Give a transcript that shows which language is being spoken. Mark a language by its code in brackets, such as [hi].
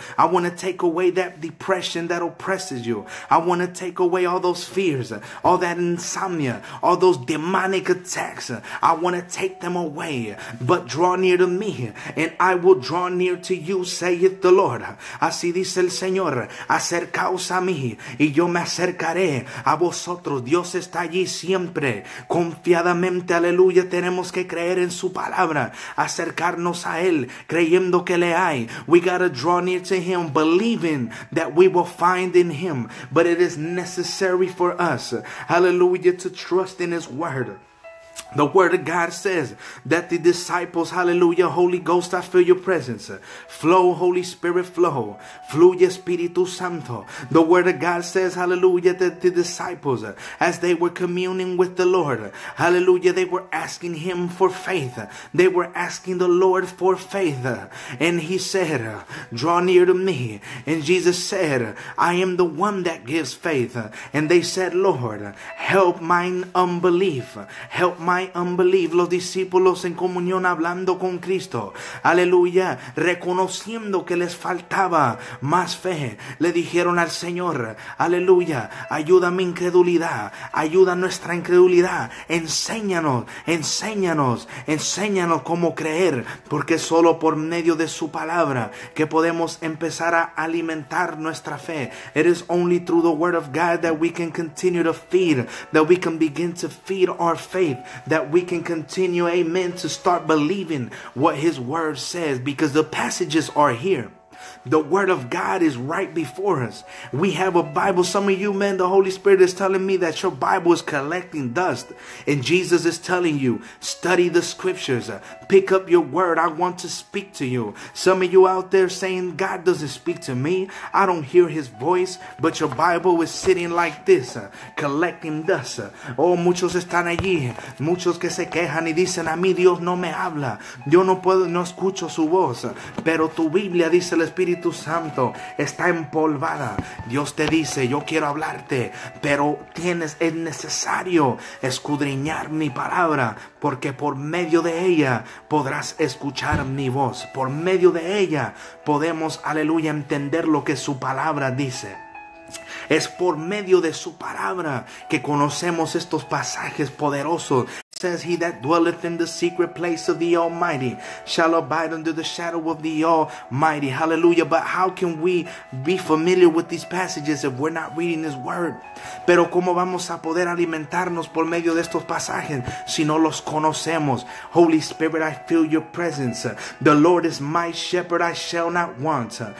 [en] I want to take away that depression that oppresses you. I want to take away all those fears, all that insomnia, all those demonic attacks. I want to take them away, but draw near to me, and I will draw near to you, saith the Lord. [es] Así dice el Señor, acercaos a mí, y yo me acercaré a vosotros. Dios está allí siempre, confiadamente, aleluya. Tenemos que creer en su palabra, acercarnos a él, creyendo que le hay. [en] We gotta draw near to him, believing that we will find in him. But it is necessary for us, hallelujah, to trust in his word. The word of God says that the disciples, hallelujah, Holy Ghost, I feel your presence. Flow, Holy Spirit, flow. [es] Fluye Espíritu Santo. [en] The word of God says, hallelujah, that the disciples, as they were communing with the Lord, hallelujah, they were asking him for faith. They were asking the Lord for faith. And he said, draw near to me. And Jesus said, I am the one that gives faith. And they said, Lord, help mine unbelief. Help my unbelief. Los discípulos en comunión hablando con Cristo, aleluya, reconociendo que les faltaba más fe, le dijeron al Señor, aleluya, ayuda mi incredulidad, ayuda nuestra incredulidad, enséñanos cómo creer, porque solo por medio de su palabra que podemos empezar a alimentar nuestra fe. It is only through the word of God that we can continue to feed, that we can begin to feed our faith, that we can continue, amen, to start believing what his word says, because the passages are here. The word of God is right before us. We have a Bible. Some of you, man, the Holy Spirit is telling me that your Bible is collecting dust. And Jesus is telling you, study the scriptures. Pick up your word. I want to speak to you. Some of you out there saying, God doesn't speak to me. I don't hear his voice. But your Bible is sitting like this, collecting dust. [es] Oh, muchos están allí. Muchos que se quejan y dicen, a mí Dios no me habla. Yo no puedo, no escucho su voz. Pero tu Biblia, dice el Espíritu Espíritu Santo, está empolvada. Dios te dice, yo quiero hablarte, pero tienes, es necesario escudriñar mi palabra, porque por medio de ella podrás escuchar mi voz. Por medio de ella podemos, aleluya, entender lo que su palabra dice. Es por medio de su palabra que conocemos estos pasajes poderosos. [en] Says he that dwelleth in the secret place of the Almighty shall abide under the shadow of the Almighty. Hallelujah. But how can we be familiar with these passages if we're not reading his word? [es] Pero cómo vamos a poder alimentarnos por medio de estos pasajes si no los conocemos? [en] Holy Spirit, I feel your presence. The Lord is my shepherd, I shall not want.